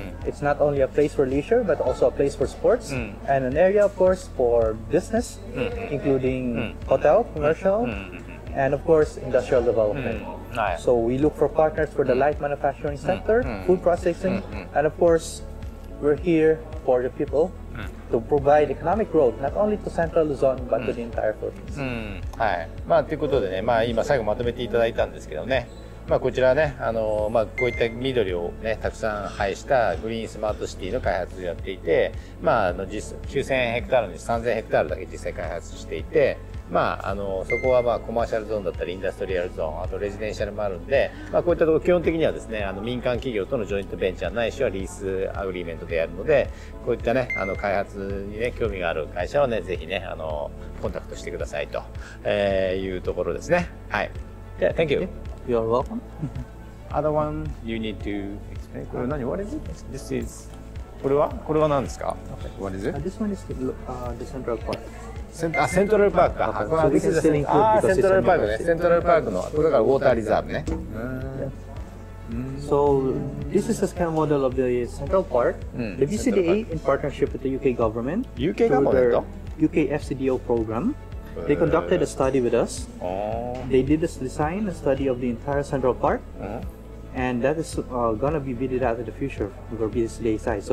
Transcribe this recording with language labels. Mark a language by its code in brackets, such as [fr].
[en] It's not only a place for leisure, but also a place for sports and an area, of course, for business, including hotel, commercial, and of course, industrial development. So we look for partners for the light manufacturing sector, food processing, and of course, we're here for the people. To provide economic growth, not only to Central Luzon, but to the entire Philippines. [ja] はい。まあ、ということでね、まあ、今、最後まとめていただいたんですけどね、まあ、こちらね、まあ、こういった緑をね、たくさん配したグリーンスマートシティの開発をやっていて、まあ、9000ヘクタールに3000ヘクタールだけ実際開発していて、まあ、そこはまあ、コマーシャルゾーンだったり、インダストリアルゾーン、あとレジデンシャルもあるんで、まあ、こういったところ、基本的にはですね、民間企業とのジョイントベンチャーないしはリースアグリーメントでやるので、こういったね、開発にね、興味がある会社はね、ぜひね、コンタクトしてくださいと、いうところですね。はい。で、 [en] Thank you. You're welcome. Other one you need to explain. [ja] これ何 [en] What is it? This is... [ja] これは何ですか [en] Okay. What is it? This one is the central part. [ja] セントラルパークか。セントラルパークね。セントラルパークの、これがウォーターリザーブね。 [en] So, this is a scale model of the central park. The BCDA, in partnership with the UK government, UK government? Through their UK FCDO program, they conducted a study with us. They did this design, a study of the entire central park. And that is gonna be bidded out in the future for BCDA side.